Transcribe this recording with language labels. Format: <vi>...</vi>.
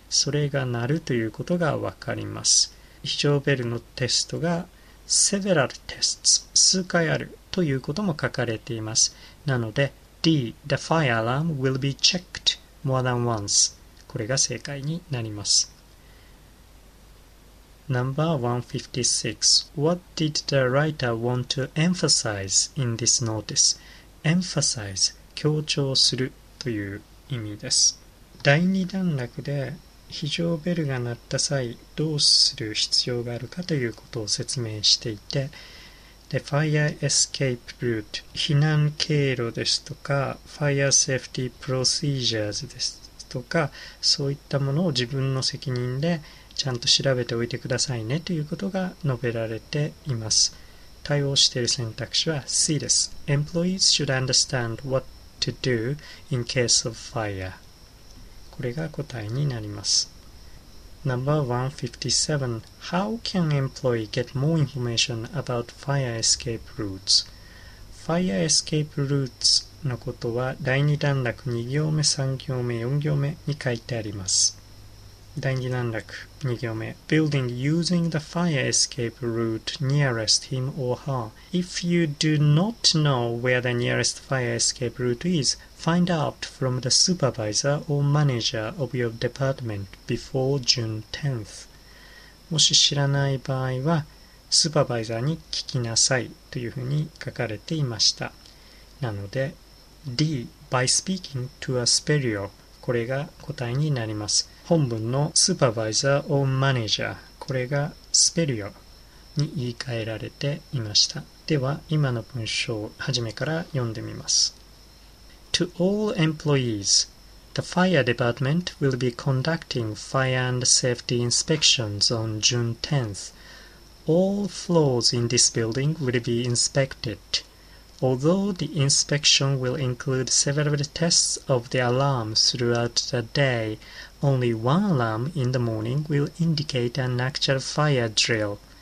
<ja>それが鳴るということがわかります。非常ベルのテストが</ja> <en>several tests、</en> <ja>数回あるということも書かれています。なので</ja> <en>D, the fire alarm will be checked more than once。</en> <ja>これが正解になります。</ja> <en>Number 156. What did the writer want to emphasize in this notice?</en> <ja>Emphasize, 強調するという意味です。第2段落で非常ベルが鳴った際どうする必要があるかということを説明していて、で、</ja> <en>Fire Escape Route、</en> <ja>避難経路ですとか、</ja> <en>Fire Safety Procedures</en> <ja>ですとか、そういったものを自分の責任でちゃんと調べておいてくださいねということが述べられています。対応している選択肢は C です。</ja> <en>Employees should understand what to do in case of fire.</en> <ja>これが答えになります。</ja> <en>Number 157. How can employee get more information about fire escape routes? Fire escape routes</en> <ja>のことは第2段落2行目、3行目、4行目に書いてあります。第2段落2行目</ja> <en>Building using the fire escape route nearest him or her. If you do not know where the nearest fire escape route is, find out from the supervisor or manager of your department before June 10th.</en> <ja>もし知らない場合はスーパーバイザーに聞きなさいというふうに書かれていました。なので D,</ja> <en>by speaking to a superior,</en> <ja>これが答えになります。本文のスーパーバイザー</ja> <en>or manager、</en> <ja>これがスペリオに言い換えられていました。では、今の文章を初めから読んでみます。</ja> <en>To all employees, the fire department will be conducting fire and safety inspections on June 10th. All floors in this building will be inspected. Although the inspection will include several tests of the alarm throughout the day,Only one alarm in the morning will indicate an actual fire drill.</en>